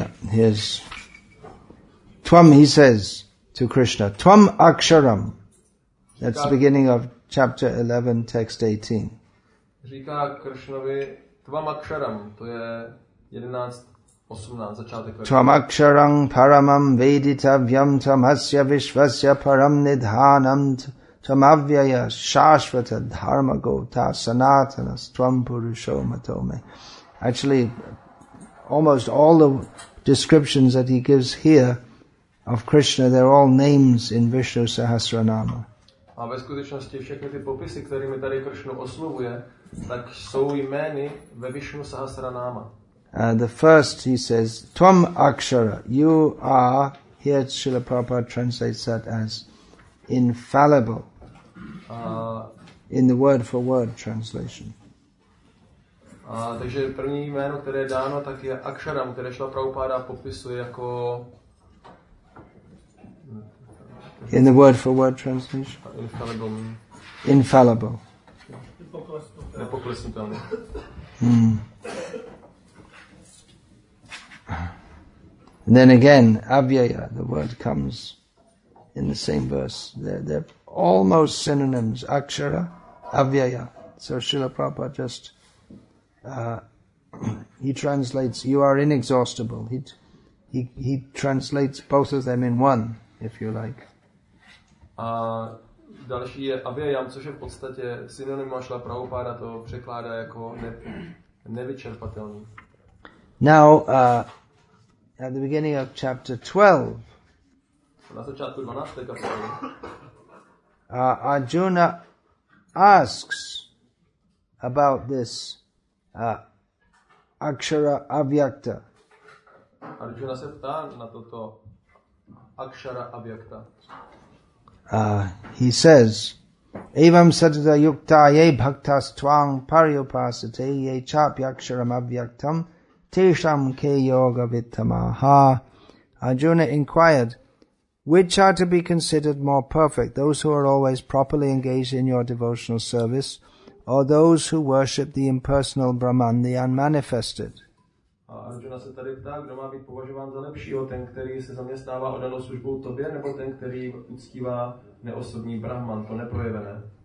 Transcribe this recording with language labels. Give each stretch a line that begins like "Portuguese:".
English: Here's Twam, he says to Krishna,
Sanskrit: Twam Aksharam.
English: That's the beginning of chapter 11, text 18.
Czech: Říká Krishnovi
Sanskrit: Twam Aksharam,
Czech: to je 11:18, začátek.
Sanskrit: Twam Aksharam Paramam Veditavyam Tamasya Vishvasya Param Nidhanam Tamavyaya Shashvata Dharma Gota Sanatanas Twam Purushomatome.
English: Actually, almost all the descriptions that he gives here of Krishna, they're all names in Vishnu Sahasranama.
Czech: A ve skutečnosti všechny ty popisy, kterými tady Krishna oslovuje, tak jsou jmény ve Vishnu Sahasranama.
English: The first, he says,
Sanskrit: Tvam Akshara,
English: you are, here Srila Prabhupada translates that as infallible, in the word for word translation.
Czech: Takže první jméno, které je dáno, tak je Aksharam, které Šla Prabhupáda popisuje jako...
English: In the word for word translation? Infallible. Infallible.
Czech: Nepoklesnutelný.
English: And then again, Avyaya, the word comes in the same verse. They're almost synonyms, Akshara, Avyaya. So Srila Prabhupada just... he translates, you are inexhaustible. He translates both of them in one, if you like.
Czech: A další je avyayam, což je v podstatě synonym Šla Prabhupáda, to překládá jako nevyčerpatelný.
English: Now, at the beginning of chapter 12,
Czech: na začátku 12. kapitoly,
English: Arjuna asks about this Akshara Avyakta.
Czech: Arjuna se ptá na toto Akshara Avyakta.
English: He says,
Sanskrit: Evam satata yukta ye bhaktas tvang pariupasate ye chapyaksharam avyaktam tesham ke yoga vittamaha.
English: Arjuna inquired, which are to be considered more perfect, those who are always properly engaged in your devotional service, or those who worship the impersonal Brahman, the unmanifested?
Czech: Arjuna se tady ptá, kdo má být považován za lepšího, ten, který se zaměstnává odanou službou tobě, nebo ten, který uctívá neosobní Brahman, to neprojevené?